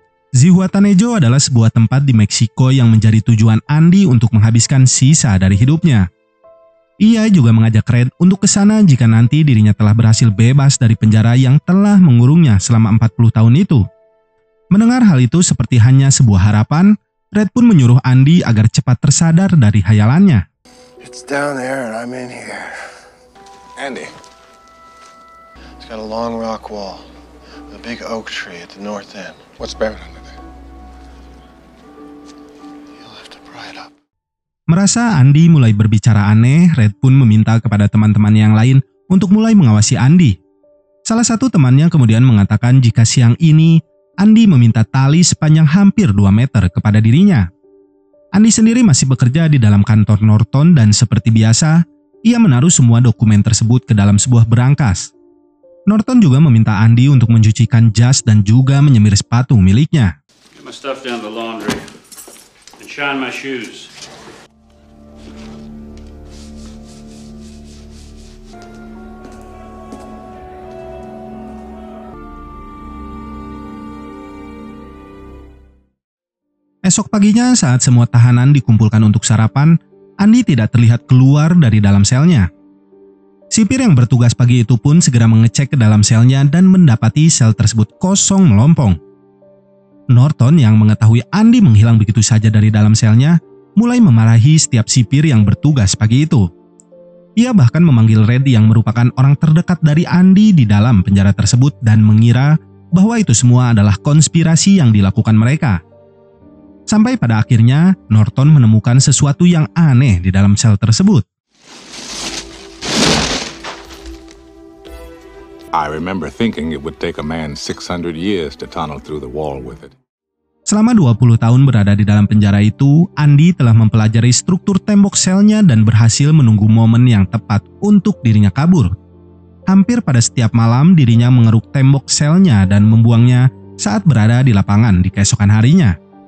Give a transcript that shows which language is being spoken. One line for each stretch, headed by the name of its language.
Indonesian: Zihuatanejo adalah sebuah tempat di Meksiko yang menjadi tujuan Andy untuk menghabiskan sisa dari hidupnya. Ia juga mengajak Red untuk kesana jika nanti dirinya telah berhasil bebas dari penjara yang telah mengurungnya selama 40 tahun itu. Mendengar hal itu seperti hanya sebuah harapan, Red pun menyuruh Andy agar cepat tersadar dari hayalannya.
English: It's down there and I'm in here. Andy. It's got a long rock wall. A big oak tree at the north end. What's buried under there? You'll have to pry it up.
Indonesian: Merasa Andy mulai berbicara aneh, Red pun meminta kepada teman-teman yang lain untuk mulai mengawasi Andy. Salah satu temannya kemudian mengatakan jika siang ini, Andy meminta tali sepanjang hampir 2 meter kepada dirinya. Andy sendiri masih bekerja di dalam kantor Norton dan seperti biasa, ia menaruh semua dokumen tersebut ke dalam sebuah berangkas. Norton juga meminta Andy untuk mencucikan jas dan juga menyemir sepatu miliknya.
English: Get my stuff down the laundry and shine my shoes.
Indonesian: Esok paginya saat semua tahanan dikumpulkan untuk sarapan, Andy tidak terlihat keluar dari dalam selnya. Sipir yang bertugas pagi itu pun segera mengecek ke dalam selnya dan mendapati sel tersebut kosong melompong. Norton yang mengetahui Andy menghilang begitu saja dari dalam selnya, mulai memarahi setiap sipir yang bertugas pagi itu. Ia bahkan memanggil Red yang merupakan orang terdekat dari Andy di dalam penjara tersebut dan mengira bahwa itu semua adalah konspirasi yang dilakukan mereka. Sampai pada akhirnya, Norton menemukan sesuatu yang aneh di dalam sel tersebut.
English: I remember thinking it would take a man 600 years to tunnel through the wall with it.
Indonesian: Selama 20 tahun berada di dalam penjara itu, Andy telah mempelajari struktur tembok selnya dan berhasil menunggu momen yang tepat untuk dirinya kabur. Hampir pada setiap malam, dirinya mengeruk tembok selnya dan membuangnya saat berada di lapangan di keesokan harinya.